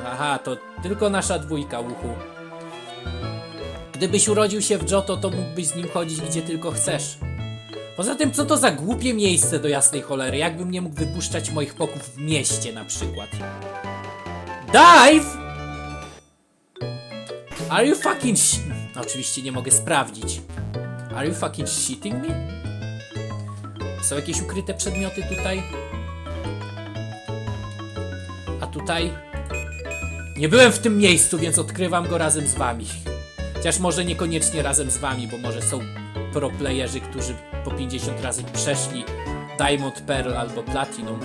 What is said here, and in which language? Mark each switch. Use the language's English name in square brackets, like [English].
[Polish] Aha, to tylko nasza dwójka, uchu. Gdybyś urodził się w Johto, to mógłbyś z nim chodzić, gdzie tylko chcesz. Poza tym, co to za głupie miejsce, do jasnej cholery? Jakbym nie mógł wypuszczać moich poków w mieście, na przykład? Dive! [English] Are you fucking [Polish] Oczywiście nie mogę sprawdzić. [English] Are you fucking shitting me? [Polish] Są jakieś ukryte przedmioty tutaj? A tutaj? Nie byłem w tym miejscu, więc odkrywam go razem z wami. Chociaż może niekoniecznie razem z wami, bo może są pro-playerzy, którzy po 50 razy przeszli Diamond, Pearl albo Platinum.